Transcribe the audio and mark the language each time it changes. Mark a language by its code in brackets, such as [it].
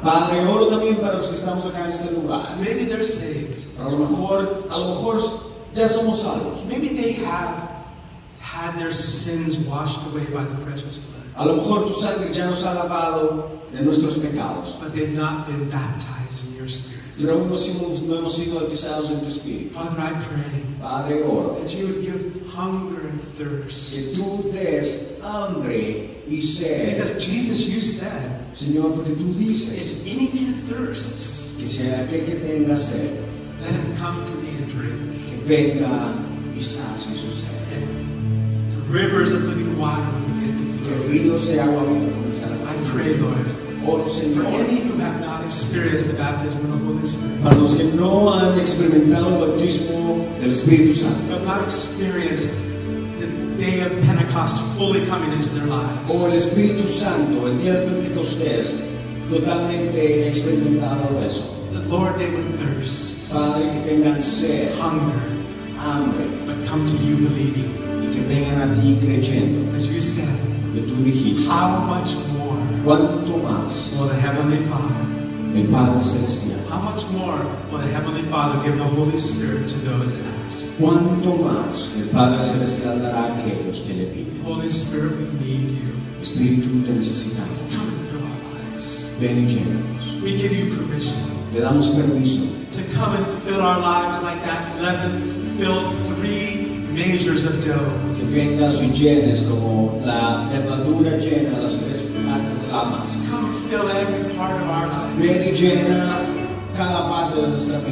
[es] Padre, oro también para los que estamos acá en este lugar. [en] Maybe they're saved. [es] Pero a lo mejor ya somos salvos. [en] Maybe they have had their sins washed away by the precious blood. [es] A lo mejor tu sangre ya nos ha lavado de nuestros pecados. [en] But they've not been baptized in your Spirit. [es] Pero no hemos sido bautizados en tu Espíritu. [en] Father, I pray. [es] Padre, oro. [en] That you would give hunger and thirst. [es] Que tú des hambre. [en] He said, because Jesus, you said, [es] Señor, porque tú dices, [en] if any man thirsts, [es] que sea aquel que tenga sed, [en] let him come to me and drink. [es] Que venga y sacie su sed. [en] And rivers of living water will begin to flow. [es] Que ríos de agua vivo comenzarán. [en] I pray, Lord, [es] oh, Señor, [en] for any who have not experienced the baptism of the Holy Spirit, [es] para los que no han experimentado el bautismo del Espíritu Santo, [en] have not experienced the day of Pentecost fully coming into their lives. [es] O el Espíritu Santo, el día de Pentecostés, totalmente experimentado eso. [en] The Lord, they would thirst. [es] Padre, que tengan sed. [en] Hunger. [es] Hambre. [en] But come to you believing. [es] Y que vengan a ti creyendo. [en] As you said. [es] Que tú dijiste. [en] How much more. [es] Cuanto más. [en] Will the Heavenly Father. [es] El Padre Celestial. [en] How much more will the Heavenly Father give the Holy Spirit to those that ask? [es] Cuanto más el Padre Celestial dará a aquellos que le piden. [en] Holy Spirit, we need you. [es] Espíritu, te necesitamos. [en] Come and fill our lives. [es] Ven y llénanos. [en] We give you permission. [es] Te damos permiso. [en] To come and fill our lives like that leaven filled three measures of dough. [es] Que vengas y llenes como la levadura llena las tres partes de la masa. [en] Come fill every part of our life. [es] Ven y llena cada parte de nuestra vida.